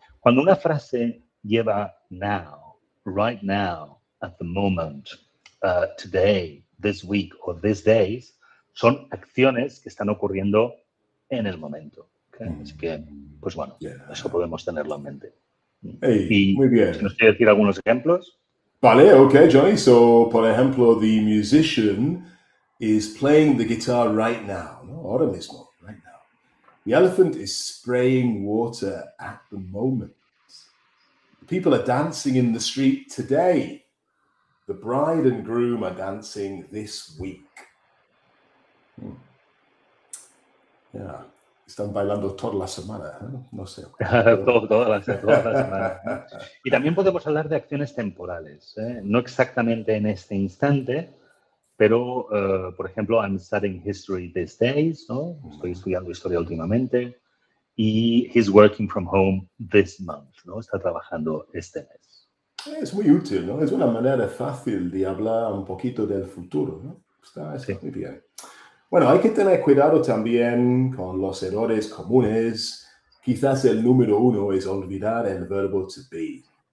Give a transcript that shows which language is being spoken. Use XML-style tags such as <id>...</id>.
<es>Cuando una frase lleva now, right now, at the moment, today, this week o this days, son acciones que están ocurriendo en el momento. ¿Okay? Así que, pues bueno, eso podemos tenerlo en mente. Hey, y muy bien. ¿Nos quiere decir algunos ejemplos? Vale, okay, Johnny.</es> <en>So,</en> <es>por ejemplo,</es> <en>the musician is playing the guitar right now. No,</en> <es>ahora mismo,</es> <en>right now. The elephant is spraying water at the moment. People are dancing in the street today. The bride and groom are dancing this week.</en> <es>Hmm.</es> <en>Yeah.</en> <es>Están bailando toda la semana, ¿eh? No sé. toda la semana. Y también podemos hablar de acciones temporales, ¿eh? No exactamente en este instante, pero, por ejemplo,</es> <en>I'm studying history these days,</en> <es>¿no? Estoy estudiando historia últimamente.</es> <en>Y he's working from home this month, ¿no?</en> <es>Está trabajando este mes. Es muy útil, ¿no? Es una manera fácil de hablar un poquito del futuro, ¿no? Está muy bien. Bueno, hay que tener cuidado también con los errores comunes. Quizás el número uno es olvidar el verbo to be.</es>